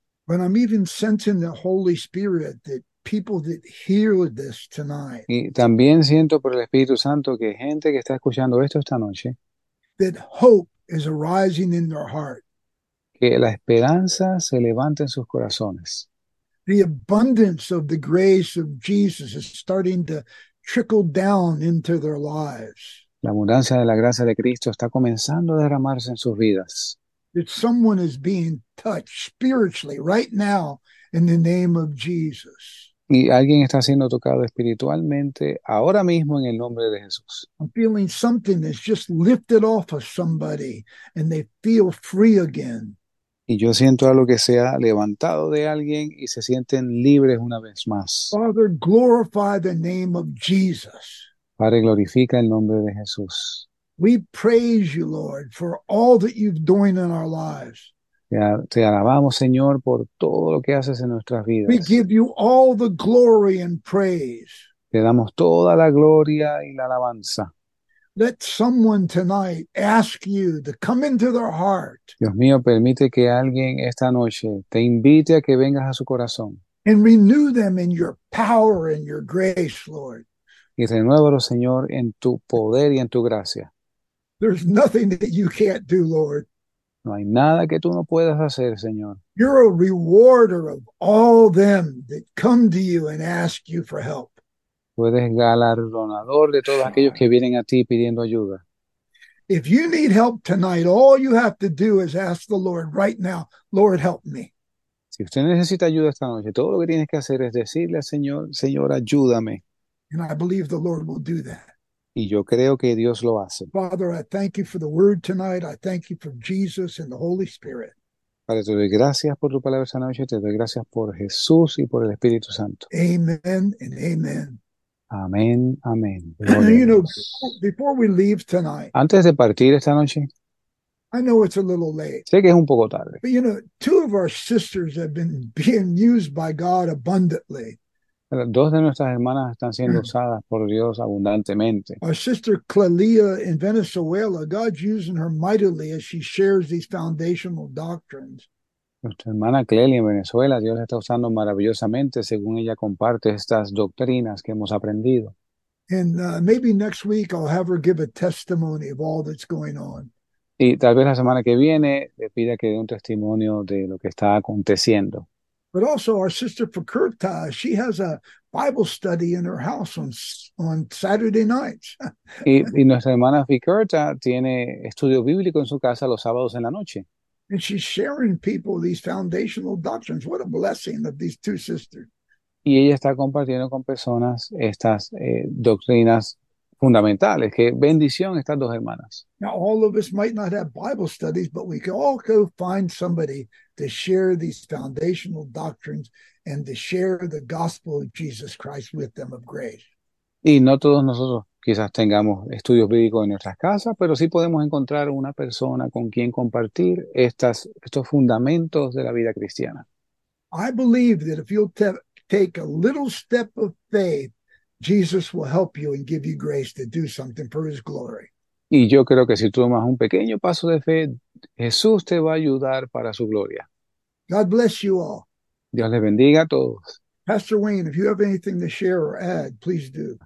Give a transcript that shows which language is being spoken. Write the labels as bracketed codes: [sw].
[en] But I'm even sensing the Holy Spirit that people that hear this tonight. [es] Y también siento por el Espíritu Santo que gente que está escuchando esto esta noche, [en] That hope is arising in their heart. [es] Que la esperanza se levante en sus corazones. [en] The abundance of the grace of Jesus is starting to trickle down into their lives. [es] La abundancia de la gracia de Cristo está comenzando a derramarse en sus vidas. [en] That someone is being touched spiritually right now in the name of Jesus. [es] Y alguien está siendo tocado espiritualmente ahora mismo en el nombre de Jesús. [en] I'm feeling something that's just lifted off of somebody and they feel free again. [es] Y yo siento algo que se ha levantado de alguien y se sienten libres una vez más. [en] Father, glorify the name of Jesus. [es] Padre, glorifica el nombre de Jesús. [en] We praise you, Lord, for all that you've done in our lives. [es] Te alabamos, Señor, por todo lo que haces en nuestras [en] We give [es] vidas. [en] you all the glory and praise. [es] Te damos toda la gloria y la alabanza. [en] Let someone tonight ask you to come into their heart [es] Dios mío, permite que alguien esta noche te invite a que vengas a su corazón. [en] and renew them in your power and your grace, Lord. [es] Y renuévalo, Señor, en tu poder y en tu gracia. [en] There's nothing that you can't do, Lord. [es] No hay nada que tú no puedas hacer, Señor. [en] You're a rewarder of all them that come to you and ask you for help. [es] Tú eres galardonador de todos aquellos que vienen a ti pidiendo ayuda. [en] If you need help tonight, all you have to do is ask the Lord right now, Lord, help me. [es] Si usted necesita ayuda esta noche, todo lo que tienes que hacer es decirle al Señor, Señor, ayúdame. [en] And I believe the Lord will do that. [es] Y yo creo que Dios lo hace. [en] Father, I thank you for the word tonight. I thank you for Jesus and the Holy Spirit. [es] Padre, te doy gracias por tu palabra esta noche, te doy gracias por Jesús y por el Espíritu Santo. [en] Amen and amen. [es] Amén, amén. Gloria a [en] You know, [es] Dios. [en] before we leave tonight, [es] Antes de partir esta noche, [en] I know it's a little late, [es] sé que es un poco tarde. [en] but you know, two of our sisters have been being used by God abundantly. [es] Dos de nuestras hermanas están siendo usadas por Dios abundantemente. [en] Our sister Clelia in Venezuela, God's using her mightily as she shares these foundational doctrines. [es] Nuestra hermana Clelia en Venezuela, Dios la está usando maravillosamente según ella comparte estas doctrinas que hemos aprendido. [en] And maybe next week I'll have her give a testimony of all that's going on. [es] Y tal vez la semana que viene le pida que dé un testimonio de lo que está aconteciendo. [en] But also our sister Fakirta, she has a Bible study in her house on Saturday nights. [es] Y nuestra hermana Ficurta tiene estudio bíblico en su casa los sábados en la noche. [en] And she's sharing people these foundational doctrines. What a blessing of these two sisters. [es] Y ella está compartiendo con personas estas doctrinas fundamentales. Qué bendición estas dos hermanas. [en] Now, all of us might not have Bible studies, but we can all go find somebody to share these foundational doctrines and to share the gospel of Jesus Christ with them of grace. [es] Y no todos nosotros quizás tengamos estudios bíblicos en nuestras casas, pero sí podemos encontrar una persona con quien compartir estos fundamentos de la vida cristiana. [en] I believe that if you'll take a little step of faith, Jesus will help you and give you grace to do something for his glory. [es] Y yo creo que si tú tomas un pequeño paso de fe, Jesús te va a ayudar para su gloria. [en] God bless you all. [es] Dios les bendiga a todos. [en] Pastor Wayne, if you have anything to share or add, please do.